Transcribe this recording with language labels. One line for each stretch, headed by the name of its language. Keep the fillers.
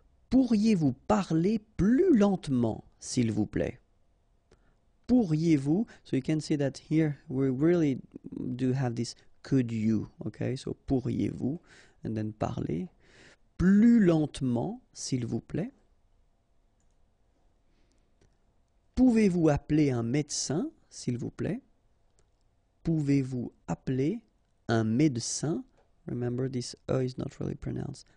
French: Pourriez-vous parler plus lentement, s'il vous plaît Pourriez-vous...
English: So you can see that here, we really do you have this could you, okay?
French: So pourriez-vous,
English: and then
French: parler. Plus lentement, s'il vous plaît. Pouvez-vous appeler un médecin, s'il vous plaît? Pouvez-vous appeler un médecin?
English: Remember, this E uh is not really pronounced.